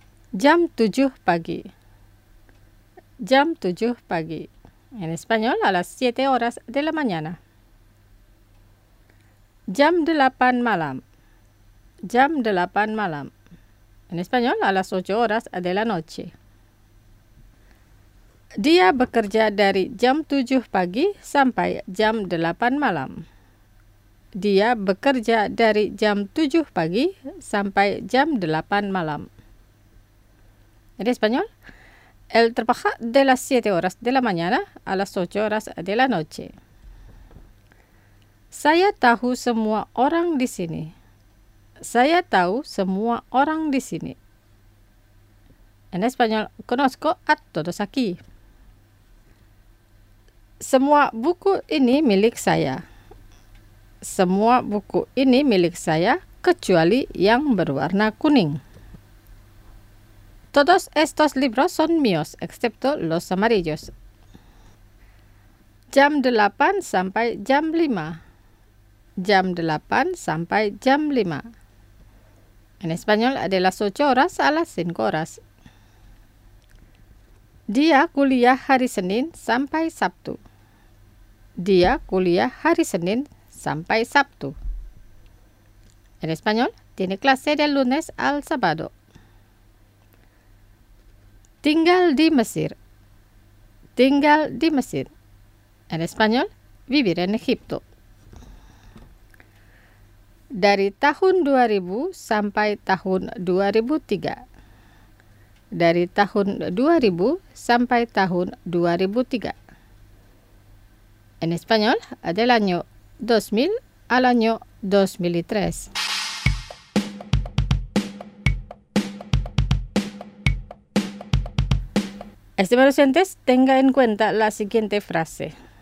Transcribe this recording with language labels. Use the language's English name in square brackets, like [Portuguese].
[Indonesian] Jam 7 pagi. Jam 7 pagi. [Spanish] En español, a las 7 horas de la mañana. [Indonesian] Jam 8 malam. Jam 8 malam. [Spanish] En español, a las 8 horas de la noche. [Indonesian] Dia bekerja dari jam 7 pagi sampai jam 8 malam. Dia bekerja dari jam 7 pagi sampai jam 8 malam. [Spanish] En español, Él trabaja de las 7 horas de la mañana a las 8 horas de la noche. [Indonesian] Saya tahu semua orang di sini. Saya tahu semua orang di sini. [Spanish] En español, conozco a todos aquí. [Indonesian] Semua buku ini milik saya. Semua buku ini milik saya, kecuali yang berwarna kuning. [Spanish] Todos estos libros son míos, excepto los amarillos. [Indonesian] Jam 8 sampai jam 5. Jam 8 sampai jam 5. [Spanish] En español, de las 8 horas a las 5 horas. [Indonesian] Dia kuliah hari Senin sampai Sabtu. Dia kuliah hari Senin sampai Sabtu. [Spanish] En español, tiene clase de lunes al sábado. [Indonesian] Tinggal di Mesir. Tinggal di Mesir. [Spanish] En español, vivir en Egipto. [Indonesian] Dari tahun 2000 sampai tahun 2003. Dari tahun 2000 sampai tahun 2003. [Spanish] En español, del año 2000 al año 2003. Estimados oyentes, tenga en cuenta la siguiente frase.